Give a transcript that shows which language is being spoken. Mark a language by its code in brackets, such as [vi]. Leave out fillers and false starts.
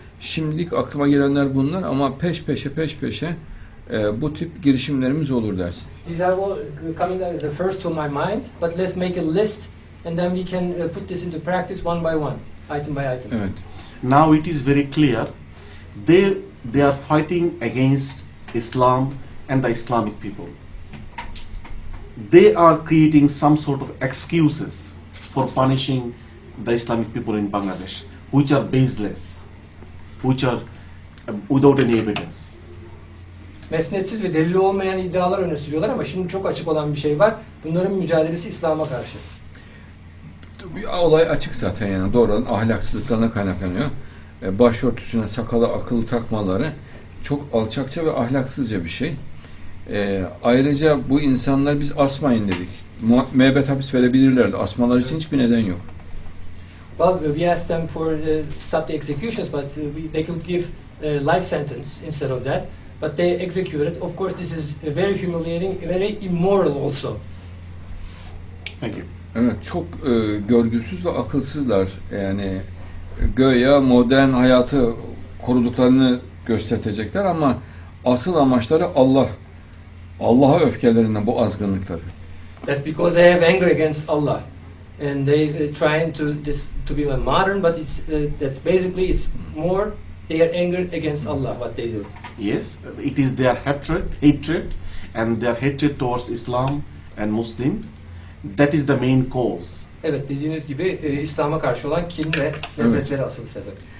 [tr] Şimdilik aklıma gelenler bunlar ama peş peşe bu tip girişimlerimiz olur dersin. [en] These are all coming as the first to my mind, but let's make a list and then we can put this into practice one by one, item by item. [tr] Evet. [en] Now it is very clear they are fighting against Islam and the Islamic people. They are creating some sort of excuses for punishing the Islamic people in Bangladesh, which are baseless, which are without any evidence. [tr] Mesnetsiz ve delil olmayan iddialar öne sürüyorlar ama şimdi çok açık olan bir şey var. Bunların mücadelesi İslam'a karşı. Olay açık zaten yani doğrudan ahlaksızlıklarına kaynaklanıyor. Başörtüsüne sakala akıllı takmaları çok alçakça ve ahlaksızca bir şey. Ayrıca bu insanlar biz asmayın dedik. Müebbet hapis verebilirlerdi. Asmaları için hiçbir neden yok. [en] Well, we asked them for stop the executions, but they could give a life sentence instead of that. But they executed. Of course, this is very humiliating, very immoral also. Thank you. [tr] Evet, çok görgüsüz ve akılsızlar. Yani göya modern hayatı koruduklarını gösterecekler ama asıl amaçları Allah. Allah'a öfkelerinden bu azgınlıkları. [en] That's because they have anger against Allah, and they trying to this to be modern, but it's that's basically it's more they are angered against Allah what they do. Yes, it is their hatred, and their hatred towards Islam and Muslim. That is the main cause. [tr] Evet, dediğiniz gibi İslam'a karşı olan kin ve nefretleri asıl sebep.